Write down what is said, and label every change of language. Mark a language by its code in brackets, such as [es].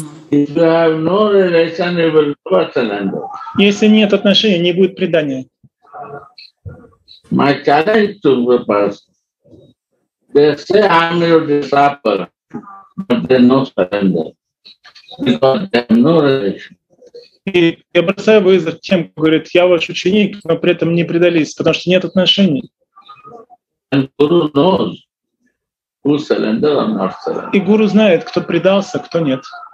[en] If you have no relation, you will never surrender. [ru] Если нет отношений, не будет предания. [en] My challenge to the person. They say I'm your disciple, but they no surrender because they have no relation. [ru] И я бросаю вызов тем, кто говорит, я ваш ученик, но при этом не предались, потому что нет отношений. [en] And Guru knows who surrender or not surrender. [ru] И Гуру знает, кто предался, кто нет.